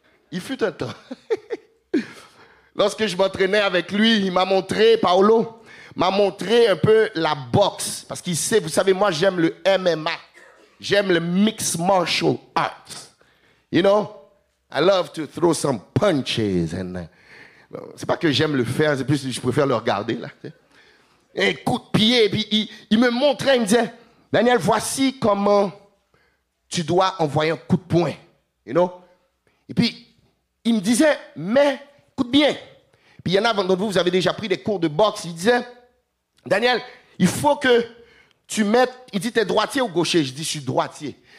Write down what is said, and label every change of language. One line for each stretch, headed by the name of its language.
French: Il fut un temps. Lorsque je m'entraînais avec lui, il m'a montré, Paolo, m'a montré un peu la boxe. Parce qu'il sait, vous savez, moi j'aime le MMA. J'aime le Mixed Martial Arts.
English: You know, I love to throw some punches.
French: And c'est pas que j'aime le faire, c'est plus que je préfère le regarder là. Un coup de pied, et puis il me montrait, il me disait, Daniel, voici comment tu dois envoyer un coup de poing, you know? Et puis, il me disait, mais écoute bien. Puis il y en a d'entre vous, vous avez déjà pris des cours de boxe, il disait, Daniel, il faut que tu mettes, il dit, t'es droitier ou gaucher? Je dis, je suis droitier.